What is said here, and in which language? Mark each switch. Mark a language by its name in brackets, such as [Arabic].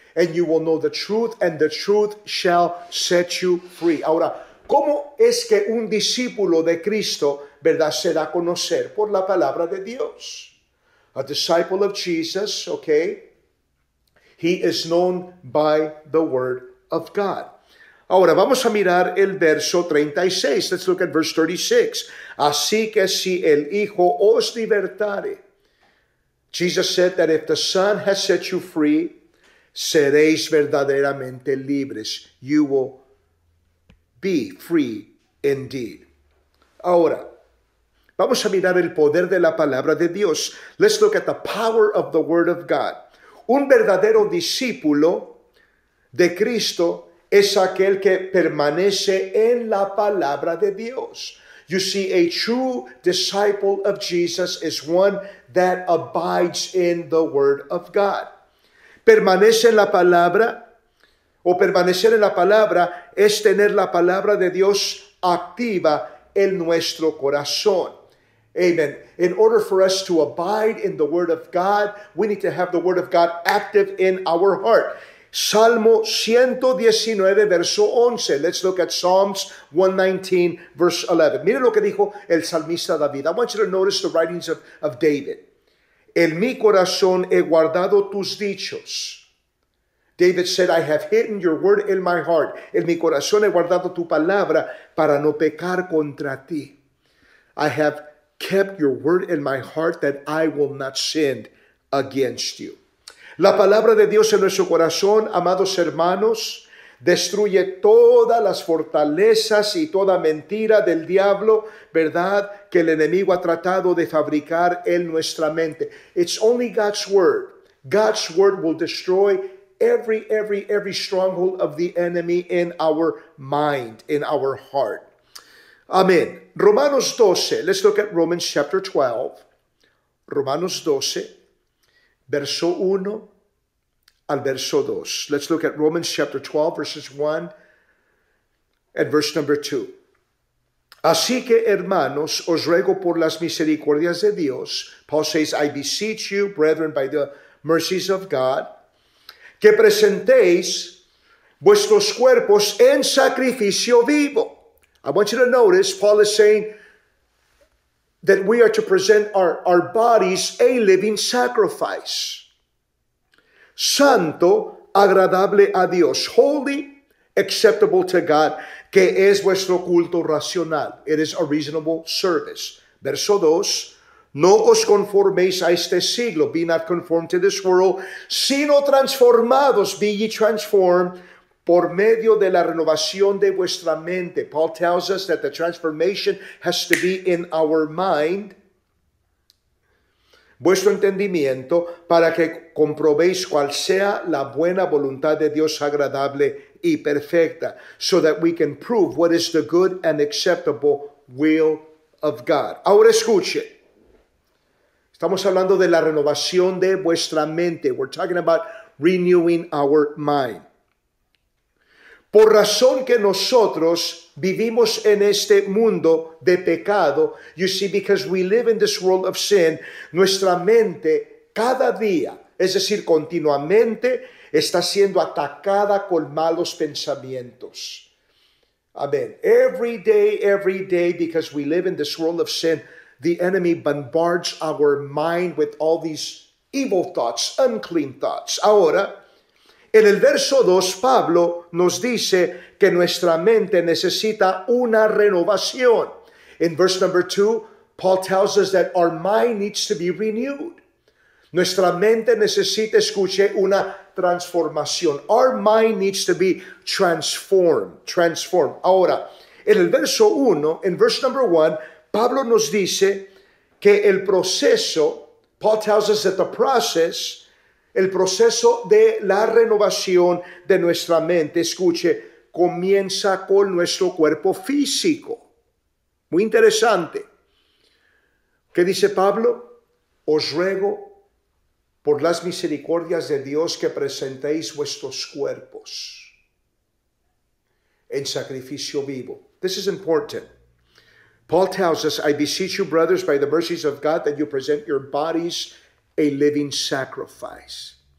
[English] And you will know the truth, and the truth shall set you free. [Spanish] Ahora, ¿cómo es que un discípulo de Cristo, verdad, se da a conocer? Por la palabra de Dios. [English] A disciple of Jesus, okay? He is known by the word of God. [Spanish] Ahora, vamos a mirar el verso 36. [English] Let's look at verse 36. [Spanish] Así que si el Hijo os libertare, [English] Jesus said that if the Son has set you free, [Spanish] seréis verdaderamente libres. [English] You will be free indeed. [Spanish] Ahora, vamos a mirar el poder de la palabra de Dios. [English] Let's look at the power of the word of God. [Spanish] Un verdadero discípulo de Cristo es aquel que permanece en la palabra de Dios. [English] You see, a true disciple of Jesus is one that abides in the word of God. [Spanish] Permanece en la palabra, o permanecer en la palabra, es tener la palabra de Dios activa en nuestro corazón. Amen. [English] In order for us to abide in the word of God, we need to have the word of God active in our heart. [Spanish] Salmo 119, verso 11. [English] Let's look at Psalms 119, verse 11. [Spanish] Miren lo que dijo el salmista David. [English] I want you to notice the writings of David. [Spanish] En mi corazón he guardado tus dichos. [English] David said, I have hidden your word in my heart. [Spanish] En mi corazón he guardado tu palabra para no pecar contra ti. [English] I have kept your word in my heart that I will not sin against you. [Spanish] La palabra de Dios en nuestro corazón, amados hermanos, destruye todas las fortalezas y toda mentira del diablo, ¿verdad?, que el enemigo ha tratado de fabricar en nuestra mente. [English] It's only God's word. God's word will destroy every stronghold of the enemy in our mind, in our heart. Amén. Romanos 12, let's look at Romans chapter 12. [Spanish] Romanos 12, verso 1 al verso 2. [English] Let's look at Romans chapter 12, verses 1 and verse number 2. [Spanish] Así que, hermanos, os ruego por las misericordias de Dios. [English] Paul says, I beseech you, brethren, by the mercies of God, [Spanish] que presentéis vuestros cuerpos en sacrificio vivo. [English] I want you to notice, Paul is saying that we are to present our bodies a living sacrifice. [Spanish] Santo, agradable a Dios. [English] Holy, acceptable to God, [Spanish] que es vuestro culto racional. [English] It is a reasonable service. [Spanish] Verso 2, no os conforméis a este siglo. [English] Be not conformed to this world, [Spanish] sino transformados. [English] Be ye transformed [Spanish] por medio de la renovación de vuestra mente. [English] Paul tells us that the transformation has to be in our mind. [Spanish] Vuestro entendimiento, para que comprobéis cuál sea la buena voluntad de Dios agradable y perfecta. [English] So that we can prove what is the good and acceptable will of God. [Spanish] Ahora escuche. Estamos hablando de la renovación de vuestra mente. [English] We're talking about renewing our mind. [Spanish] Por razón que nosotros vivimos en este mundo de pecado, [English] you see, because we live in this world of sin, [Spanish] nuestra mente cada día, es decir, continuamente, está siendo atacada con malos pensamientos. Amén. [English] Every day, because we live in this world of sin, the enemy bombards our mind with all these evil thoughts, unclean thoughts. Ahora, [Spanish] En el verso 2, Pablo nos dice que nuestra mente necesita una renovación. [English] In verse number 2, Paul tells us that our mind needs to be renewed. [Spanish] Nuestra mente necesita, escuche, una transformación. [English] Our mind needs to be transformed. [Spanish] Ahora, en el verso 1, [English] in verse number 1, [Spanish] Pablo nos dice que el proceso, [English] Paul tells us that the process, [Spanish] el proceso de la renovación de nuestra mente, escuche, comienza con nuestro cuerpo físico. Muy interesante. ¿Qué dice Pablo? Os ruego por las misericordias de Dios que presentéis vuestros cuerpos en sacrificio vivo. [English] This is important. Paul tells us, I beseech you, brothers, by the mercies of God, that you present your bodies a living sacrifice.